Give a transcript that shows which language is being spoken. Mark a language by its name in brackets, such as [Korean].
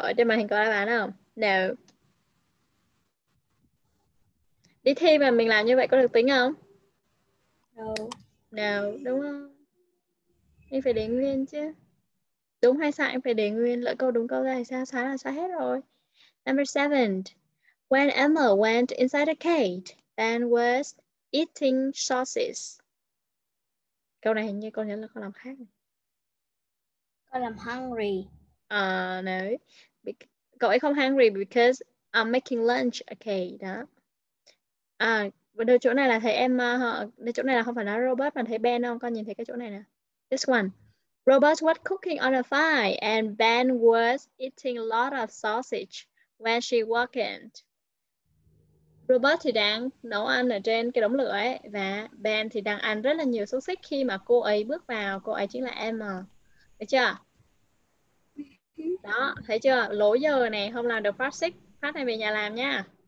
[Vietnamese] Ở trên màn hình có đáp án không? [English] No. [Vietnamese] Đi thi mà mình làm như vậy có được tính không? [English] No. No, [Vietnamese] đúng không? Em phải để nguyên chứ. Đúng hay sai em phải để nguyên. Lỡ câu đúng câu ra thì sao? Sai là sai hết rồi. [English] Number 7. When Emma went inside a cage, Ben was eating sausage. [Vietnamese] Câu này hình như con nhớ là con làm khác. Con làm hungry. [English] No. [Vietnamese] Cậu ấy không hungry [English] because I'm making lunch. [Vietnamese] Okay, đó. Chỗ này là thấy em chỗ này là không phải là Robert mà thấy Ben không? Con nhìn thấy cái chỗ này nè. [English] This one. Robert was cooking on a fire and Ben was eating a lot of sausage when she walked in. [Vietnamese] Robert thì đang nấu ăn ở trên cái đống lửa ấy và Ben thì đang ăn rất là nhiều xúc xích khi mà cô ấy bước vào. Cô ấy chính là Emma. Thấy chưa? Đó, thấy chưa? Lỗi giờ này, không làm được phát xích. Phát này về nhà làm nha.